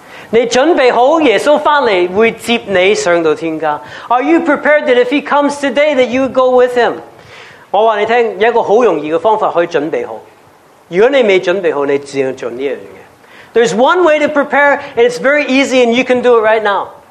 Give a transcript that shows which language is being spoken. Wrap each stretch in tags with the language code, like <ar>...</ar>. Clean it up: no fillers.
<zh>你准备好耶稣回来会接你上到天家?</zh> <en>Are you prepared that if He comes today that you would go with Him?</en> <zh>我告诉你一个很容易的方法去准备好。如果你没准备好,你只能做这件事。</zh> <en>There's one way to prepare, and it's very easy, and you can do it right now.</en>